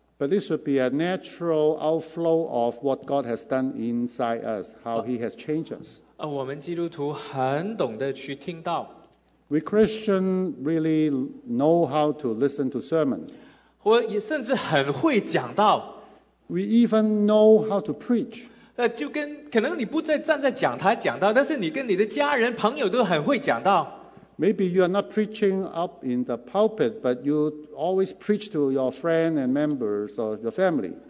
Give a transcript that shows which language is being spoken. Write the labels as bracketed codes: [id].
[en] But this would be a natural outflow of what God has done inside us, how He has changed us. [zh] 我们基督徒很懂得去听到。 [en] We Christians really know how to listen to sermon. [zh] 甚至很会讲道。 [en] We even know how to preach. [zh] 就跟可能你不再站在讲台讲道，但是你跟你的家人朋友都很会讲道。 [en] Maybe you are not preaching up in the pulpit, but you always preach to your friend and members of your family.